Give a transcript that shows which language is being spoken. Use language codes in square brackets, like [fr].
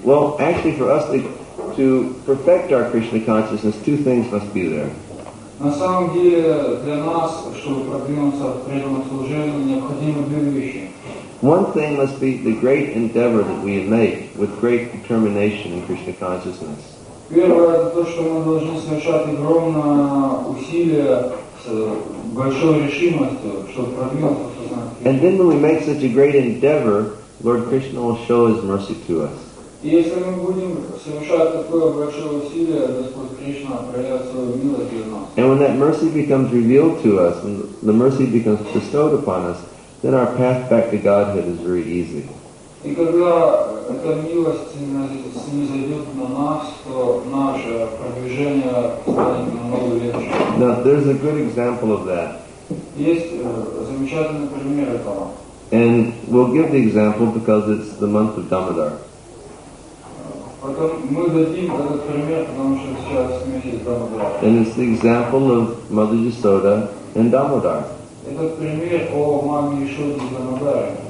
[en] Well, actually for us to perfect our Krishna consciousness, two things must be there. [ru] На самом деле для нас, чтобы продвинуться в преданном служении, необходимы две вещи. [en] One thing must be the great endeavor that we make with great determination in Krishna consciousness. [ru] Первое – это то, что мы должны совершать огромное усилие с большой решимостью, чтобы продвинуться в сознании. [en] And then when we make such a great endeavor, Lord Krishna will show His mercy to us. [ru] И если мы будем совершать такое большое усилие, Господь Кришна проявит свою милость для нас. [en] And when that mercy becomes revealed to us, when the mercy becomes bestowed upon us, then our path back to Godhead is very easy. [ru] И когда эта милость снизойдет на нас, то наше продвижение станет намного легче. [en] Now, there's a good example of that. [ru] Есть замечательный пример этого. [en] And we'll give the example because it's the month of Damodar. [ru] Мы дадим этот пример, потому что сейчас месяц Дамодар. [en] And it's the example of Mother Yasoda and Damodar. [ru] Этот пример о маме Ясоде и Дамодаре.